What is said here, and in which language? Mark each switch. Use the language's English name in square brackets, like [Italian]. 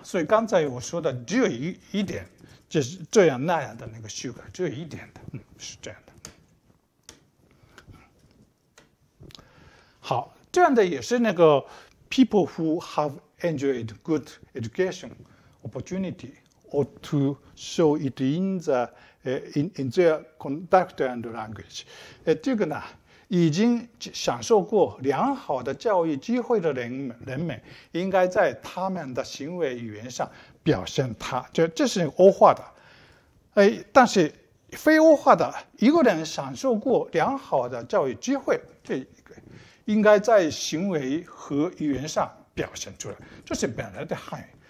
[Chinese] 所以刚才我说的只有 一点就是这样那样的那个修改，只有一点的，是这样的。好，这样的也是那个 [English] people who have enjoyed good education opportunity ought to show it in the in their conduct and language。 [Chinese] 这个呢，已经享受过良好的教育机会的人们，应该在他们的行为语言上表现它。这是欧化的，但是非欧化的，一个人享受过良好的教育机会，这应该在行为和语言上表现出来，这是本来的汉语。